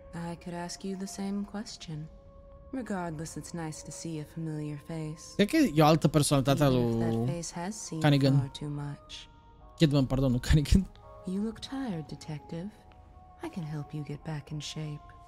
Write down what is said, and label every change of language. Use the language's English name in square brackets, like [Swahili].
[English] I could ask you the same question. Regardless, it's nice to see a familiar face. [Romanian] Cred că e o altă personalitate a lui Cunningham. Kidman, pardon, nu Cunningham. [English] You look tired, detective. I can help you get back in shape.